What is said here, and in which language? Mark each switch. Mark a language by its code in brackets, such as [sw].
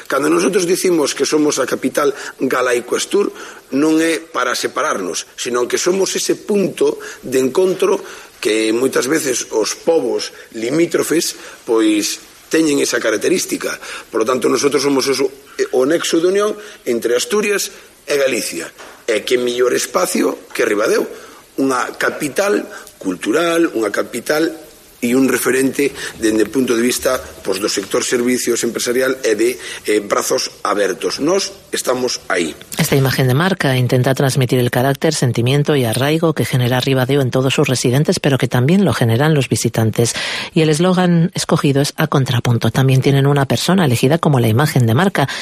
[es] Cuando nosotros decimos que somos la capital galaico-astur, no es para separarnos, sino que somos ese punto de encuentro que muchas veces los pobos limítrofes pues teñen esa característica. Por lo tanto, nosotros somos [gl] o nexo de unión entre Asturias e Galicia. E que mellor espacio que Ribadeo, unha capital cultural, unha capital e un referente dende o punto de vista pois, do sector servicios empresarial e de brazos abertos. Nos estamos aí. [es] Esta imagen de marca intenta transmitir el carácter, sentimiento y arraigo que genera Ribadeo en todos sus residentes, pero que también lo generan los visitantes. Y el eslogan escogido es A Contrapunto. También tienen una persona elegida como la imagen de marca.